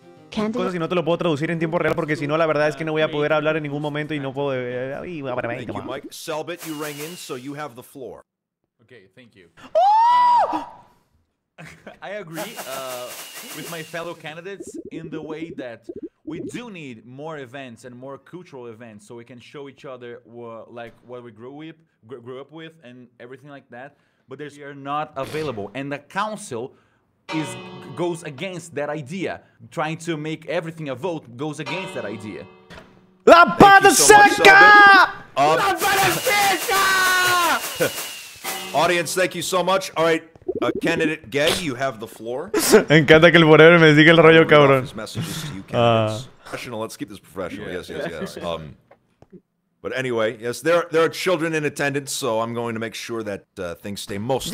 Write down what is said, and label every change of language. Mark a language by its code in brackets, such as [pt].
[es] Cosas y no te lo puedo traducir en tiempo real porque si no la verdad es que no voy a poder hablar en ningún momento y no puedo. [en] Thank you, Mike. Cellbit, you rang in, so you have the floor. Okay, thank you. I agree with my fellow candidates in the way that we do need more events and more cultural events so we can show each other what we grew up with and everything like that. But they are not available. And the council goes against that idea. Trying to make everything a vote goes against that idea. [es] La Pada Seca! La Pada Seca! [en] Audience, thank you so much. All right. Candidate Gay, you have the floor. [es] Encanta que el forero me diga el rollo, cabrón. [en] Professional, let's keep this professional. Yeah. Yes. But anyway, yes, there are children in attendance, so I'm going to make sure that things stay mostly.